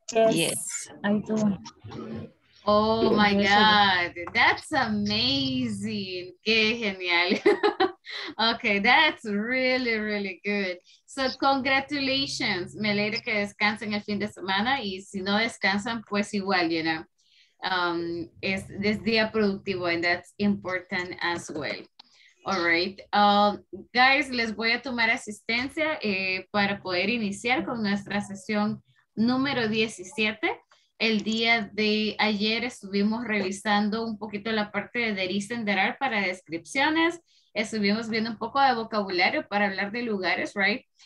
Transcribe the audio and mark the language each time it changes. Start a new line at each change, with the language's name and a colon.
English: Yes, I do. Oh, my God. That's amazing.
Spanish: ¡Qué genial!
English: Okay, that's really, really good. So, congratulations.
Spanish: Me alegra que descansen el fin de semana. Y si no descansan, pues igual, you know. Es día productivo,
English: and that's important as well. All right.
Spanish: Guys, les voy a tomar asistencia para poder iniciar con nuestra sesión número 17. El día de ayer estuvimos revisando un poquito la parte de there is and there are para descripciones. Estuvimos viendo un poco de vocabulario para hablar de lugares, right?